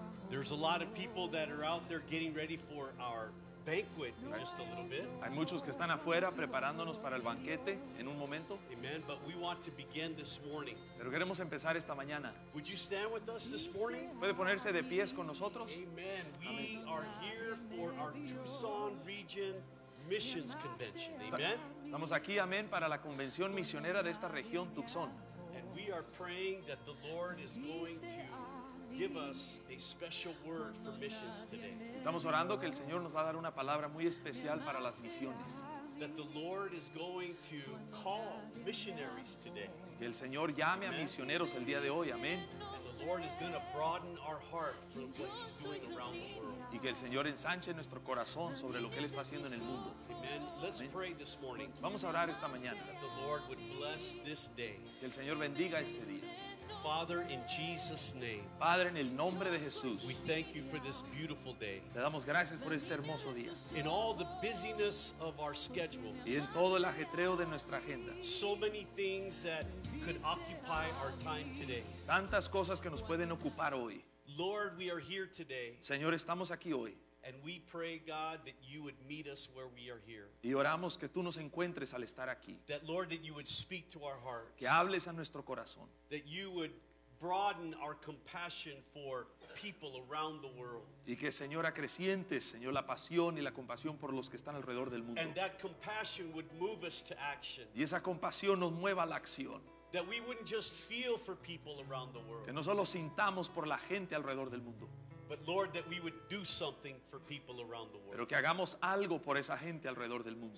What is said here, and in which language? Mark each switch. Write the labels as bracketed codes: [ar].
[en] There's a lot of people that are out there getting ready for our banquet in just a little bit. [es] Hay muchos que están afuera preparándonos para el banquete en un momento. [en] Amen. But we want to begin this morning. [es] Pero queremos empezar esta mañana. [en] Would you stand with us this morning? [es] ¿Puede ponerse de pies con nosotros? [en] Amen. We are here for our Tucson region missions convention. Amen. [es] Estamos aquí, amén, para la convención misionera de esta región Tucson. [en] And we are praying that the Lord is going to give us a special word for missions today. [es] Estamos orando que el Señor nos va a dar una palabra muy especial para las misiones. [en] That the Lord is going to call missionaries today. [es] Que el Señor llame a misioneros el día de hoy. Amén. [en] And the Lord is going to broaden our heart for what He's doing around the world. [es] Y que el Señor ensanche nuestro corazón sobre lo que Él está haciendo en el mundo. [en] Amen. Let's pray this morning. [es] Vamos a orar esta mañana. [en] That the Lord would bless this day. [es] Que el Señor bendiga este día. [en] Father, in Jesus' name. [es] Padre, en el nombre de Jesús. [en] We thank you for this beautiful day. [es] Te damos gracias por este hermoso día. [en] In all the busyness of our schedules. [es] Y en todo el ajetreo de nuestra agenda. [en] So many things that could occupy our time today. [es] Tantas cosas que nos pueden ocupar hoy. [en] Lord, we are here today. [es] Señor, estamos aquí hoy. [en] And we pray, God, that you would meet us where we are here. [es] Y oramos que tú nos encuentres al estar aquí. [en] That, Lord, that you would speak to our hearts. [es] Que hables a nuestro corazón. [en] That you would broaden our compassion for people around the world. [es] Y que, Señor, acrecientes, Señor, la pasión y la compasión por los que están alrededor del mundo. [en] And that compassion would move us to action. [es] Y esa compasión nos mueva a la acción. [en] That we wouldn't just feel for people around the world. [es] Que no solo sintamos por la gente alrededor del mundo. [en] But Lord, that we would do something for people around the world. [es] Pero que hagamos algo por esa gente alrededor del mundo.